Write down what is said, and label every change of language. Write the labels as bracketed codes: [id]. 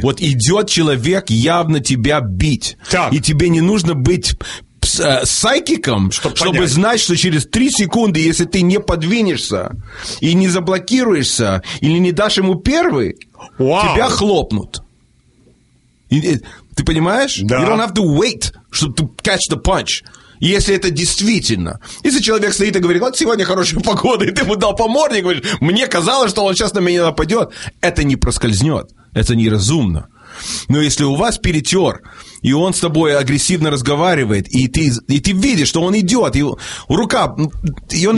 [ru] Вот идет человек явно тебя бить. Так. И тебе не нужно быть сайкиком, чтобы знать, что через 3 секунды, если ты не подвинешься и не заблокируешься, или не дашь ему первый, wow, тебя хлопнут. Ты понимаешь? Да. [en] You don't have to wait, [ru] чтобы [en] to catch the punch. [ru] Если это действительно. Если человек стоит и говорит, вот сегодня хорошая погода, и ты ему дал по морде, говоришь, мне казалось, что он сейчас на меня нападет, это не проскользнет. Это неразумно. Но если у вас перетер, и он с тобой агрессивно разговаривает, и ты видишь, что он идет, и рука, и он